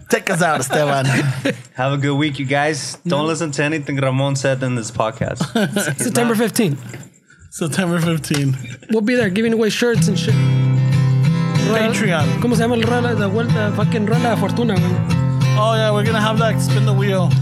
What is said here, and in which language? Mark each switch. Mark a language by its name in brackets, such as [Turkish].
[English] Us out, Esteban. Have a good week, you guys. Don't listen to anything Ramon said in this podcast. September 15th. We'll be there giving away shirts and shit. Patreon. [Spanish] ¿Cómo se llama el fucking rueda de fortuna? [English] Oh, yeah, we're gonna have that spin the wheel.